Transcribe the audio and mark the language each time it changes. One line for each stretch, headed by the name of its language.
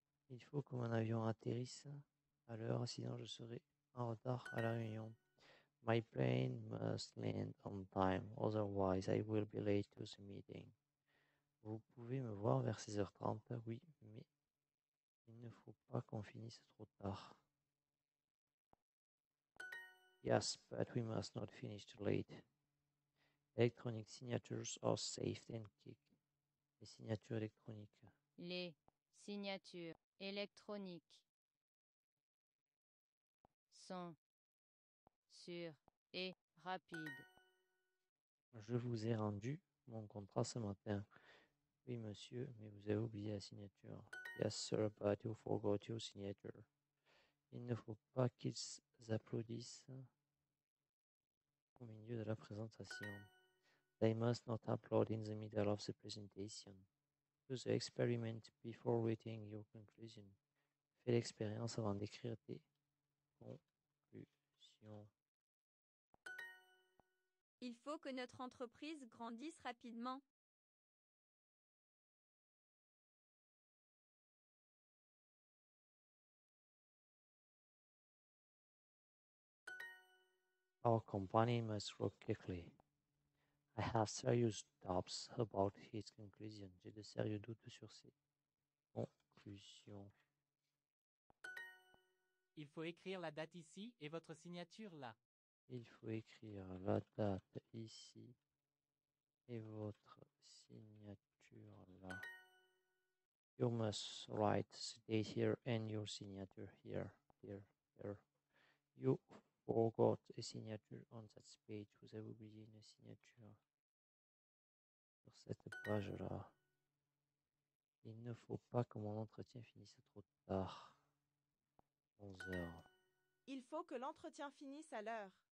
French: Il faut que mon avion atterrisse à l'heure, sinon je serai en retard à la réunion.
English: My plane must land on time, otherwise I will be late to the meeting.
French: Vous pouvez me voir vers 16h30, oui, mais il ne faut pas qu'on finisse trop tard.
English: Yes, but we must not finish too late. Electronic signatures are saved and kicked.
French: Les signatures électroniques. Les signatures électroniques sont sûres et rapides. Je vous ai rendu mon contrat ce matin. Oui, monsieur, mais vous avez oublié la signature.
English: Yes, sir, but you forgot your signature.
French: Il ne faut pas qu'ils applaudissent au milieu de la présentation.
English: They must not applaud in the middle of the presentation. Do the experiment before writing your conclusion.
French: Fais l'expérience avant d'écrire tes conclusions. Il faut que notre entreprise grandisse rapidement.
English: Our company must grow quickly. I have serious doubts about his conclusion.
French: J'ai de sérieux doutes sur ses conclusions. Il faut écrire la date ici et votre signature là. Il faut écrire la date ici et votre signature là.
English: You must write the date here and your signature here, here, here. You forgot a signature on that page.
French: Vous avez oublié une signature sur cette page-là. Il ne faut pas que mon entretien finisse trop tard. 11h. Il faut que l'entretien finisse à l'heure.